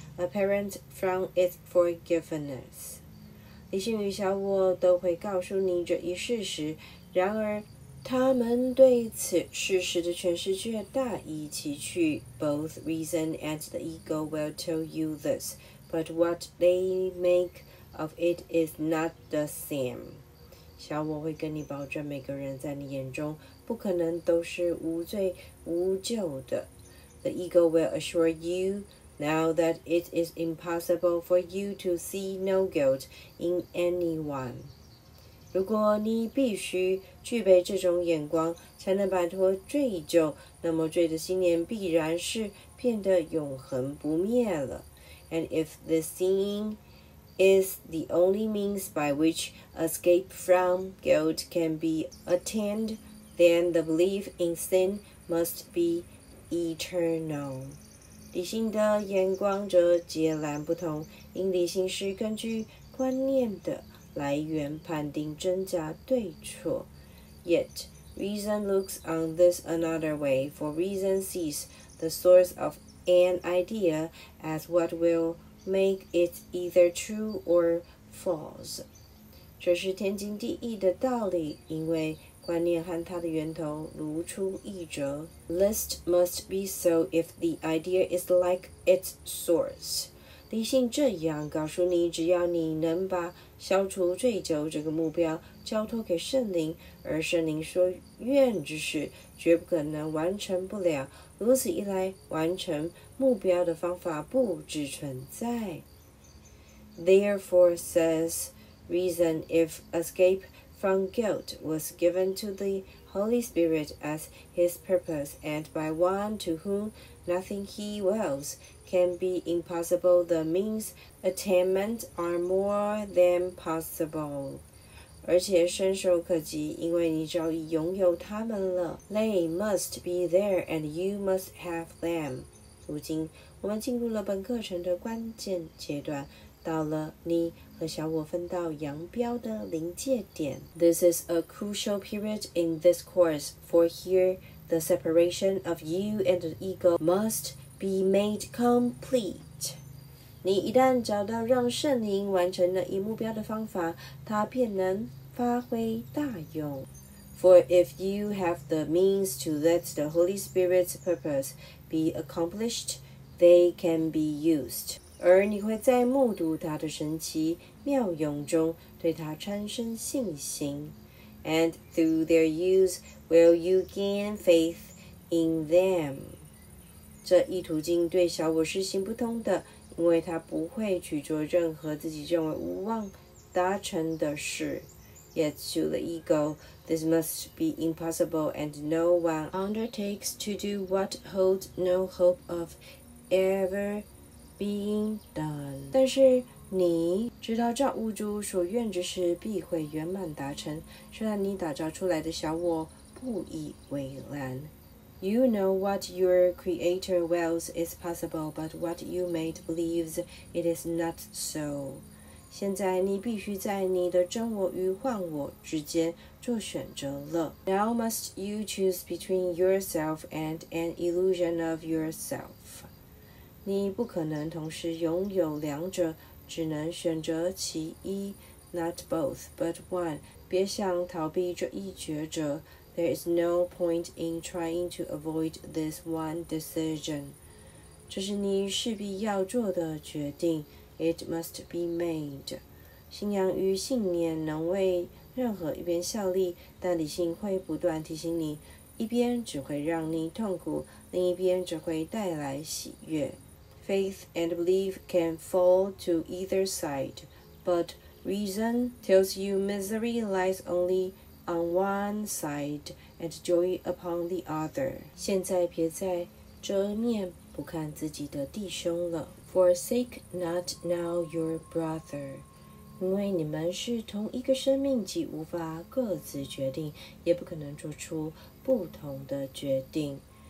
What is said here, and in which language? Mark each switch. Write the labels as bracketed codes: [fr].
[en] Apparent from its forgiveness. [zh] 理性与小我都会告诉你这一事实，然而他们对此事实的诠释却大异其趣。 [en] Both reason and the ego will tell you this, but what they make of it is not the same. [zh] 小我会跟你保证，每个人在你眼中不可能都是无罪无咎的。 [en] The ego will assure you,Now that it is impossible for you to see no guilt in anyone. [zh] 如果你必须具备这种眼光才能摆脱罪疚，那么罪的信念必然是变得永恒不灭了。 [en] And if this seeing is the only means by which escape from guilt can be attained, then the belief in sin must be eternal. [zh] 理性的眼光则截然不同，因理性是根据观念的来源判定真假对错。 [en] Yet, reason looks on this another way, for reason sees the source of an idea as what will make it either true or false. [zh] 这是天经地义的道理，因为观念和它的源头如出一辙。 [en] List must be so if the idea is like its source. [zh] 理性这样告诉你，只要你能把消除醉酒这个目标交托给圣灵，而圣灵说愿之事绝不可能完成不了，如此一来，完成目标的方法不只存在。 [en] Therefore, says reason, if escape from guilt was given to the Holy Spirit as his purpose and by one to whom nothing he wills can be impossible, the means attainment are more than possible. [zh] 而且伸手可及，因为你早已拥有它们了。 [en] They must be there, and you must have them. [zh] 如今，我们进入了本课程的关键阶段，到了你和小我分道扬镳的临界点。 [en] This is a crucial period in this course, for here the separation of you and the ego must be made complete. [zh] 你一旦找到让圣灵完成那一目标的方法，它便能发挥大用。 [en] For if you have the means to let the Holy Spirit's purpose be accomplished, they can be used. [zh] 而你会在目睹它的神奇妙用中对它产生信心。 [en] And through their use, will you gain faith in them? [zh] 这一途径对小我是行不通的，因为他不会去做任何自己认为无望达成的事。 [en] Yet to the ego, this must be impossible, and no one undertakes to do what holds no hope of ever being done. [zh] 但是你知道造物主所愿之事必会圆满达成，虽然你打造出来的小我不以为然。 [en] You know what your creator wills is possible, but what you made believes it is not so. [zh] 现在你必须在你的真我与幻我之间做选择了。 [en] Now must you choose between yourself and an illusion of yourself. [zh] 你不可能同时拥有两者，只能选择其一， [en] not both, but one. [zh] 别想逃避这一抉择。 [en] There is no point in trying to avoid this one decision. [zh] 这是你势必要做的决定。 [en] It must be made. [zh] 信仰与信念能为任何一边效力，但理性会不断提醒你，一边只会让你痛苦，另一边只会带来喜悦。 [en] Faith and belief can fall to either side, but reason tells you misery lies only on one side and joy upon the other. [zh] 现在别再遮面不看自己的弟兄了。 [en] Forsake not now your brother. [zh] 因为你们是同一个生命，既无法各自决定，也不可能做出不同的决定。